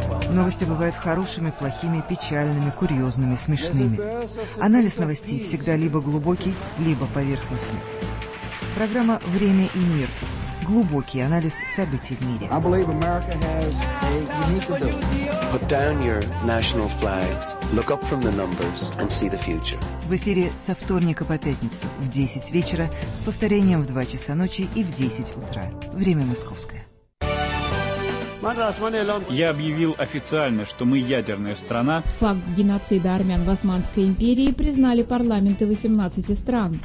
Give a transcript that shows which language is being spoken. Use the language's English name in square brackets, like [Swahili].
[Russian] Новости бывают хорошими, плохими, печальными, курьезными, смешными. Анализ новостей всегда либо глубокий, либо поверхностный. Программа «Время и мир». Глубокий анализ событий в мире. [English] Put down your national flags, look up from the numbers and see the future. [Russian] В эфире со вторника по пятницу в 10 вечера с повторением в 2 часа ночи и в 10 утра. Время московское. Я объявил официально, что мы ядерная страна. Факт геноцида армян в Османской империи признали парламенты 18 стран.